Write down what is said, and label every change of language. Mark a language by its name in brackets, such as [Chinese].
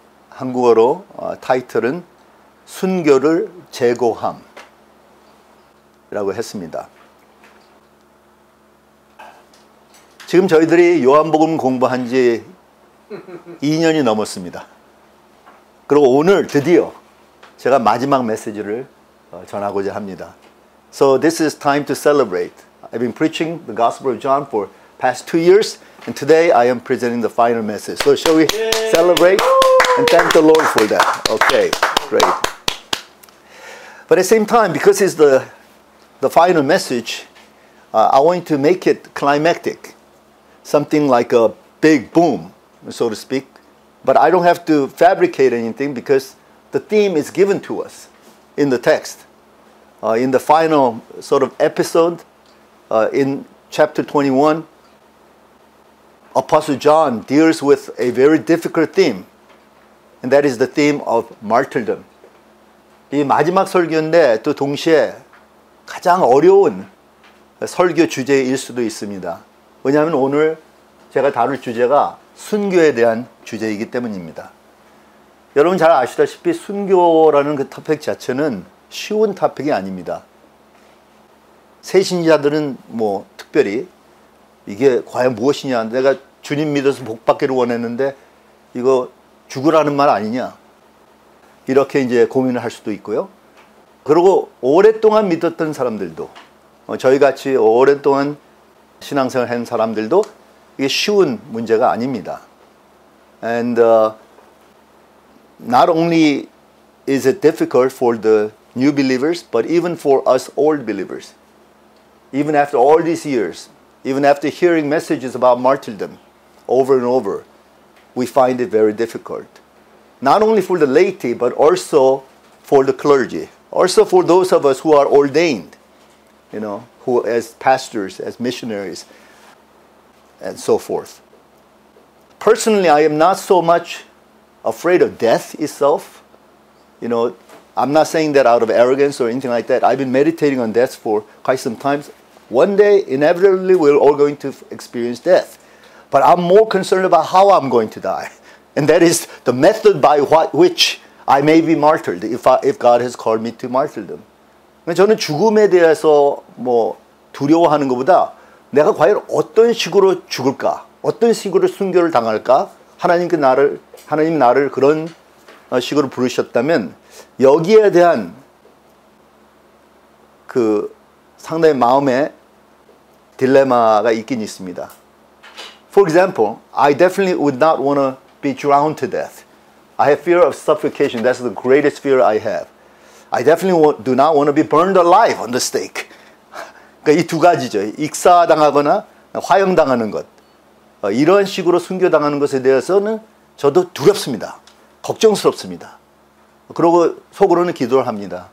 [Korean] 한국어로 타이틀은 순교를 재고함 이라고 했습니다. 지금 저희들이 요한복음 공부한 지 2년이 넘었습니다. 그리고 오늘 드디어 제가 마지막 메시지를 전하고자 합니다. [English] So this is time to celebrate. I've been preaching the Gospel of John for past 2 years, and today I am presenting the final message. So shall we celebrate and thank the Lord for that? Okay, great. But at the same time, because it's the final message, I want to make it climactic, something like a big boom, so to speak. But I don't have to fabricate anything because the theme is given to us in the text. In the final sort of episode, in chapter 21, Apostle John deals with a very difficult theme, and that is the theme of martyrdom. [Korean] 이 마지막 설교인데 또 동시에 가장 어려운 설교 주제일 수도 있습니다. 왜냐하면 오늘 제가 다룰 주제가 순교에 대한 주제이기 때문입니다. 여러분 잘 아시다시피 순교라는 그 토픽 자체는 쉬운 토픽이 아닙니다. 새신자들은 뭐 특별히 이게 과연 무엇이냐, 내가 주님 믿어서 복받기를 원했는데 이거 죽으라는 말 아니냐, 이렇게 이제 고민을 할 수도 있고요. 그리고 오랫동안 믿었던 사람들도, 저희같이 오랫동안 신앙생활 한 사람들도 이게 쉬운 문제가 아닙니다. [English] And not only is it difficult for the new believers, but even for us old believers. Even after all these years, even after hearing messages about martyrdom over and over, we find it very difficult. Not only for the laity, but also for the clergy. Also for those of us who are ordained, you know, who as pastors, as missionaries, and so forth. Personally, I am not so much afraid of death itself. You know, I'm not saying that out of arrogance or anything like that. I've been meditating on death for quite some time. One day, inevitably, we're all going to experience death. But I'm more concerned about how I'm going to die. And that is the method by which I may be martyred if God has called me to martyrdom. [Korean] 저는 죽음에 대해서 뭐 두려워하는 것보다 내가 과연 어떤 식으로 죽을까? 어떤 식으로 순교를 당할까? 하나님이 나를 그런 식으로 부르셨다면 여기에 대한 그 상당히 마음에 딜레마가 있긴 있습니다. [English] For example, I definitely would not want to be drowned to death. I have fear of suffocation. That's the greatest fear I have. I definitely do not want to be burned alive on the stake. [Korean] 그러니까 이 두 가지죠. 익사당하거나 화형당하는 것. 이런 식으로 순교당하는 것에 대해서는 저도 두렵습니다. 걱정스럽습니다. 그리고 속으로는 기도를 합니다.